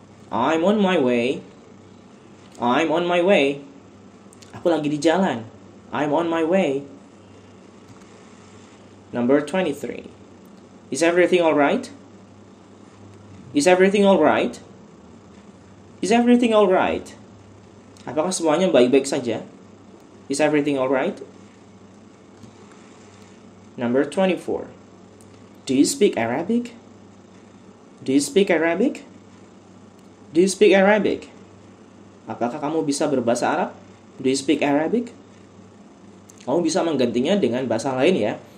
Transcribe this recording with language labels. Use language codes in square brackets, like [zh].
[en] I'm on my way. I'm on my way. [id] Aku lagi di jalan. [en] I'm on my way. Number 23. Is everything all right? Is everything all right? Is everything all right? [id] Apakah semuanya baik-baik saja? [en] Is everything all right? Number 24. Do you speak Arabic? Do you speak Arabic? Do you speak Arabic? [id] Apakah kamu bisa berbahasa Arab? [en] Do you speak Arabic? [id] Kamu bisa menggantinya dengan bahasa lain ya.